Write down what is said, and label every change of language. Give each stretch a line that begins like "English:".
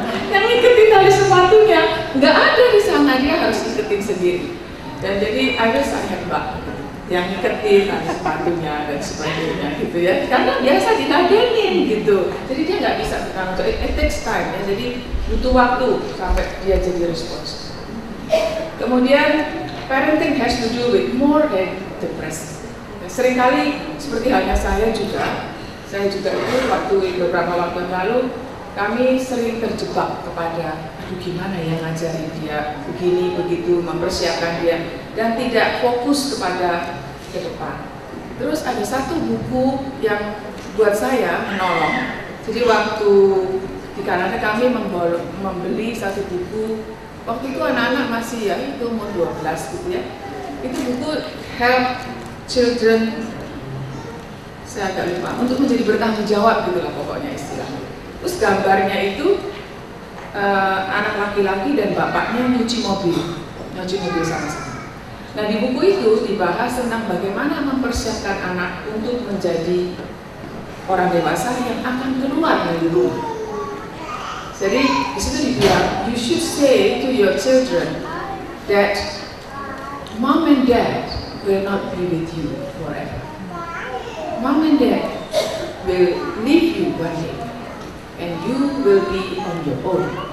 Indonesian: Yang ikutin tali sepatunya, nggak ada di sana, dia harus ikutin sendiri.
English: Dan jadi, I wish I had mbak.
Indonesian: Yang ikutin tali sepatunya dan sebagainya gitu ya. Karena biasa ditadengin gitu. Jadi dia nggak bisa bertanggung,
English: it takes time
Indonesian: ya. Jadi butuh waktu sampai dia jadi responsif.
English: Kemudian parenting has to do with more than depression.
Indonesian: Seringkali seperti halnya saya juga itu waktu beberapa waktu lalu kami sering terjebak kepada aduh gimana ya ngajarin dia begini begitu mempersiapkan dia dan tidak fokus kepada ke depan. Terus ada satu buku yang buat saya menolong. Jadi waktu di Kanada kami membeli satu buku. Waktu itu anak-anak masih ya itu umur 12 gitu ya. Itu buku Help Children, saya agak lupa, untuk menjadi bertanggung jawab gitu lah pokoknya istilahnya. Terus gambarnya itu anak laki-laki dan bapaknya nyuci mobil sama-sama. Nah di buku itu dibahas tentang bagaimana mempersiapkan anak untuk menjadi orang dewasa yang akan keluar dari rumah. Jadi di situ dibilang,
English: you should say to your children that mom and dad will not be with you forever. Mom and dad will leave you one day, and you will be on your own.